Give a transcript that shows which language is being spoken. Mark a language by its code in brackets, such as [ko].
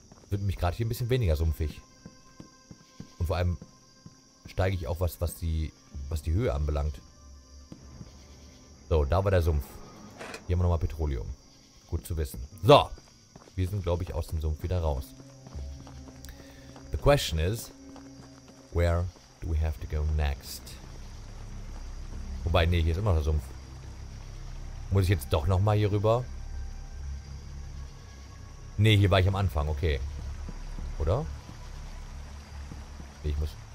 [de] Wird mich gerade hier ein bisschen weniger sumpfig. Und vor allem steige ich auf was die Höhe anbelangt. So, da war der Sumpf. Hier haben wir nochmal Petroleum. Gut zu wissen. So, wir sind, glaube ich, aus dem Sumpf wieder raus. [en] The question is, where do we have to go next? [de] Wobei, nee, hier ist immer noch der Sumpf. Muss ich jetzt doch nochmal hier rüber? Nee, hier war ich am Anfang, okay. Oder? Nee, ich muss...